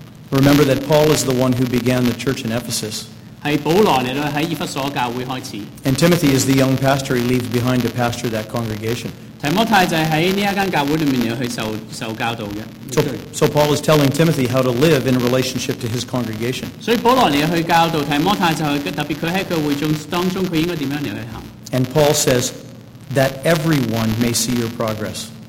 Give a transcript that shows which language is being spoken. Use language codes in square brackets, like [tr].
[en] Remember that Paul is the one who began the church in Ephesus. [zh] 是保罗来到在以弗所教会开始。 [en] And Timothy is the young pastor he leaves behind to pastor that congregation. [zh] 提摩太就是在这间教会里面去受教导的。 [en] So Paul is telling Timothy how to live in relationship to his congregation. [zh] 所以保罗来去教导提摩太，就是特别他在他会众当中，他应该怎么样来去行。 [en] And Paul says that everyone may see your progress.